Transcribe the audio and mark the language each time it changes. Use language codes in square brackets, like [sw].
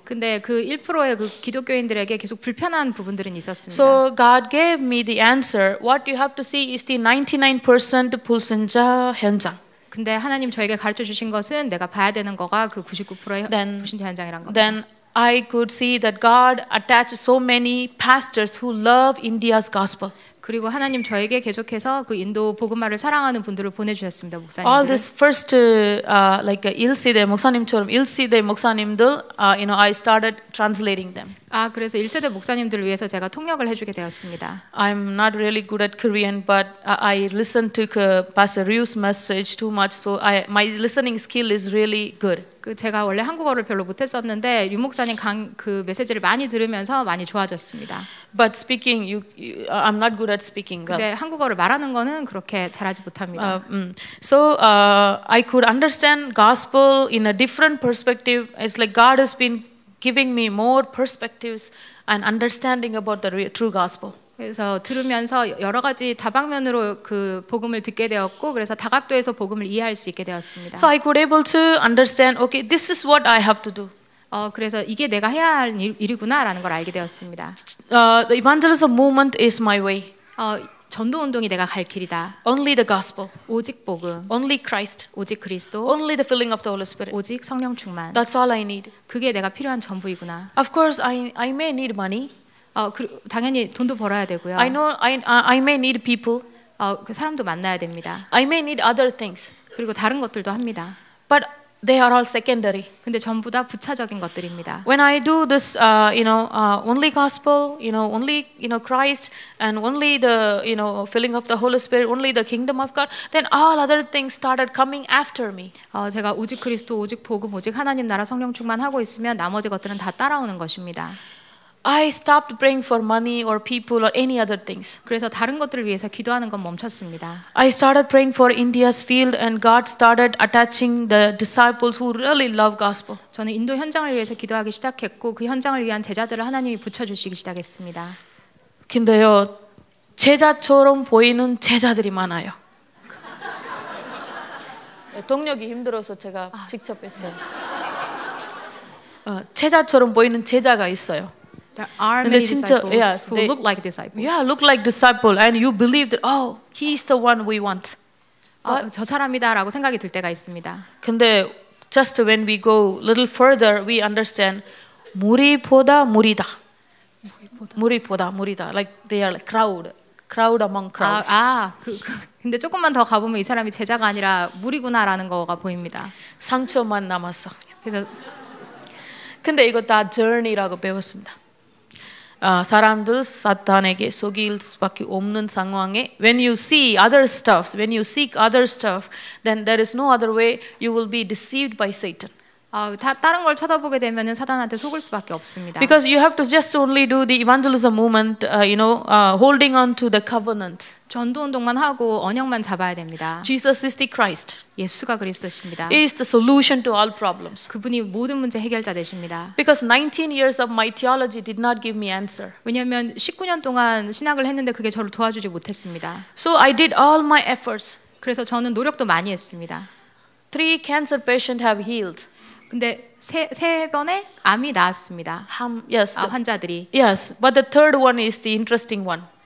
[ko] 근데 그 1%의 그 기독교인들에게 계속 불편한 부분들은 있었습니다. [en] So God gave me the answer. What you have to see is the 99% [ko] 불신자 현장. 근데 하나님 저에게 가르쳐 주신 것은 내가 봐야 되는 거가 그 99%의 불신자 현장이란 겁니다. [en] Then I could see that God attached so many pastors who love India's gospel. [ko] 그리고 하나님 저에게 계속해서 그 인도 복음화를 사랑하는 분들을 보내 주셨습니다, 목사님. [en] All this first like [ko] 1세대 목사님처럼 1세대 목사님들 [en] you know I started translating them. [ko] 아, 그래서 1세대 목사님들을 위해서 제가 통역을 해 주게 되었습니다. [en] I'm not really good at Korean but I listen to Pastor Ryu's message too much so my listening skill is really good. [ko] 그 제가 원래 한국어를 별로 못 했었는데 유 목사님 그 메시지를 많이 들으면서 많이 좋아졌습니다. [en] But speaking you I'm not good at speaking. [ko] 근데 한국어를 말하는 거는 그렇게 잘하지 못합니다. [en] So I could understand gospel in a different perspective. It's like God has been giving me more perspectives and understanding about the true gospel. [ko] 그래서 들으면서 여러 가지 다방면으로 그 복음을 듣게 되었고 그래서 다각도에서 복음을 이해할 수 있게 되었습니다. [en] So I could able to understand okay this is what I have to do. [ko] 그래서 이게 내가 해야 할 일이구나라는 걸 알게 되었습니다. [en] The evangelism movement is my way. [ko] 전도 운동이 내가 갈 길이다. [en] Only the gospel. [ko] 오직 복음. [en] Only Christ. [ko] 오직 그리스도. [en] Only the filling of the Holy Spirit. [ko] 오직 성령 충만. [en] That's all I need. [ko] 그게 내가 필요한 전부이구나. [en] Of course I may need money. [ko] 당연히 돈도 벌어야 되고요. [en] I know I may need people. [ko] 그 사람도 만나야 됩니다. [en] I may need other things. [ko] 그리고 다른 것들도 합니다. [en] But they are all secondary. [ko] 근데 전부 다 부차적인 것들입니다. [en] When I do this you know only gospel, you know only you know Christ and only the you know filling of the Holy Spirit, only the kingdom of God, then all other things started coming after me. [ko] 제가 오직 그리스도, 오직 복음, 오직 하나님 나라 성령 충만하고 있으면 나머지 것들은 다 따라오는 것입니다. [en] I stopped praying for money or people or any other things. [ko] 그래서 다른 것들을 위해서 기도하는 건 멈췄습니다. [en] I started praying for India's field and God started attaching the disciples who really love gospel. [ko] 저는 인도 현장을 위해서 기도하기 시작했고 그 현장을 위한 제자들을 하나님이 붙여 주시기 시작했습니다. 근데요. 제자처럼 보이는 제자들이 많아요. 동력이 힘들어서 제가 직접 했어요. 제자처럼 보이는 제자가 있어요. [en] There are many disciples who look like disciples. Yeah, look like disciple, and you believe that. Oh, he's the one we want. [ko] 저 사람이다라고 생각이 들 때가 있습니다. 근데 [en] just when we go a little further, we understand [ko] 무리보다 무리다. 무리보다 무리다. [en] Like they are like crowd among crowds. [ko] 근데 조금만 더 가보면 이 사람이 제자가 아니라 무리구나라는 거가 보입니다. 상처만 남았어. 그래서 근데 이거 다 journey라고 배웠습니다. 사람들 사탄에게 속일 수밖에 없는 상황에 [en] when you see other stuff, when you seek other stuff, then there is no other way you will be deceived by Satan. [ko] 다른 걸 쳐다보게 되면은 사단한테 속을 수밖에 없습니다. [en] Because you have to just only do the evangelism movement, holding on to the covenant. [ko] 전도 운동만 하고 언약만 잡아야 됩니다. [en] Jesus is the Christ. [ko] 예수가 그리스도십니다. [en] He is the solution to all problems. [ko] 그분이 모든 문제 해결자 되십니다. [en] Because 19 years of my theology did not give me answer. [ko] 왜냐하면 19년 동안 신학을 했는데 그게 저를 도와주지 못했습니다. [en] So I did all my efforts. [ko] 그래서 저는 노력도 많이 했습니다. [en] 3 cancer patients have healed. [ko] 근데 세 번의 암이 나왔습니다. [en] Yes. [ko] 환자들이. [en] Yes. But the third one is the interesting one.